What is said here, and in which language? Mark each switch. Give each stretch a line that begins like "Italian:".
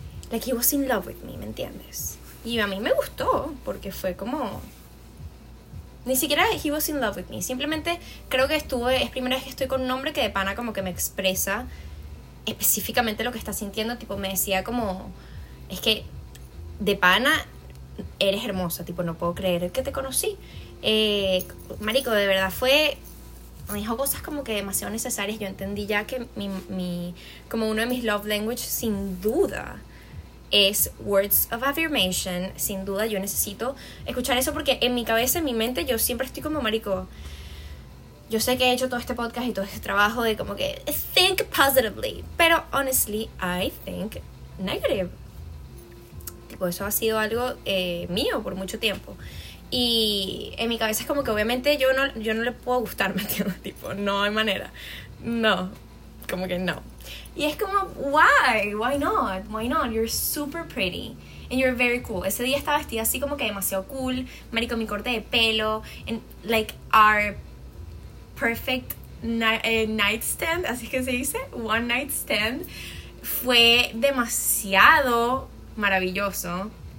English: like he was in love with me,
Spanish: ¿me entiendes? Y a mí me gustó, porque fue como... ni siquiera
English: he was in love with me.
Spanish: Simplemente creo que es primera vez que estoy con un hombre que de pana como que me expresa específicamente lo que está sintiendo. Tipo, me decía como... es que de pana eres hermosa. Tipo, no puedo creer que te conocí. Marico, de verdad fue... me dijo cosas como que demasiado necesarias. Yo entendí ya que mi como uno de mis
English: love language,
Spanish: sin duda... es
English: words of affirmation.
Spanish: Sin duda yo necesito escuchar eso, porque en mi cabeza, en mi mente, yo siempre estoy como, marico, yo sé que he hecho todo este podcast y todo este trabajo de como que
English: think positively,
Spanish: pero
English: honestly I think negative.
Spanish: Tipo, eso ha sido algo mío por mucho tiempo. Y en mi cabeza es como que obviamente yo no le puedo gustar, ¿me entiendes? Tipo, no hay manera. No, como que no. Y es como,
English: why not, you're super pretty, and you're very cool.
Spanish: Ese día estaba vestida así como que demasiado cool, marico, mi corte de pelo,
English: and like our perfect nightstand,
Spanish: así que se dice,
English: one night stand,
Spanish: fue demasiado maravilloso.